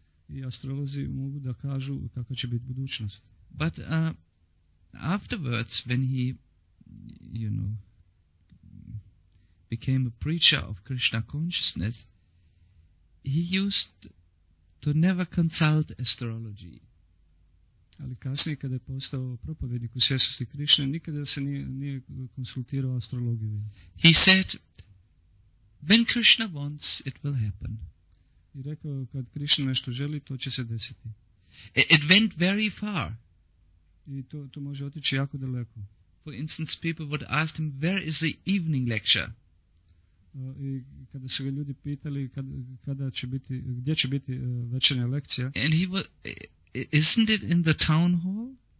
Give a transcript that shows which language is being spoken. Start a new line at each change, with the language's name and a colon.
Croatian: I astrolozi mogu da kažu kakva će biti budućnost.
English: But afterwards, when he, you know, became a preacher of Krishna consciousness, he used to never consult astrology.
Croatian: Ali kasnije, kada je postao propovjednik u svjesnosti Krishna, nikada se nije konsultirao astrologiju.
English: He said, when Krishna wants, it will happen.
Croatian: I rekao, kad Krishna nešto želi, to će se desiti.
English: It went very far.
Croatian: I to može otići jako daleko.
English: For instance, people would ask him, where is the evening lecture?
Croatian: I kada su ga ljudi pitali kada će biti, gdje će biti večernja lekcija.
English: And he was, isn't it in the town hall?